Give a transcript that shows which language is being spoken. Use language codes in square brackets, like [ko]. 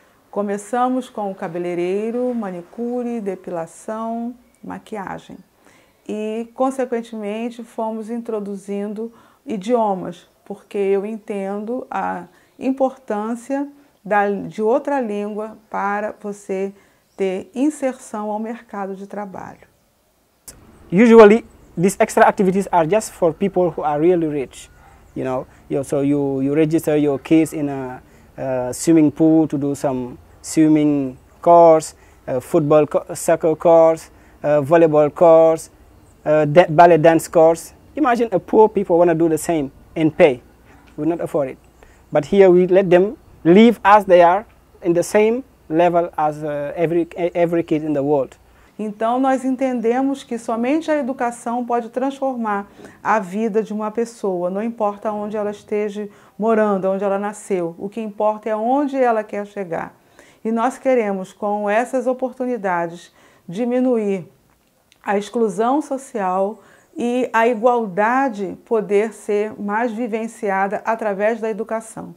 [pt] Começamos com cabeleireiro, manicure, depilação, maquiagem. E, consequentemente, fomos introduzindo idiomas, porque eu entendo a importância de outra língua para você ter inserção ao mercado de trabalho. [en] Usually, these extra activities are just for people who are really rich, you know. So you register your kids in a swimming pool to do some swimming course, football soccer course, volleyball course, ballet dance course. Imagine a poor people want to do the same and pay. We not afford it. But here we let them live as they are in the same level as every kid in the world. [pt] Então nós entendemos que somente a educação pode transformar a vida de uma pessoa, não importa onde ela esteja morando, onde ela nasceu. O que importa é onde ela quer chegar. E nós queremos, com essas oportunidades, diminuir a exclusão social e a igualdade poder ser mais vivenciada através da educação.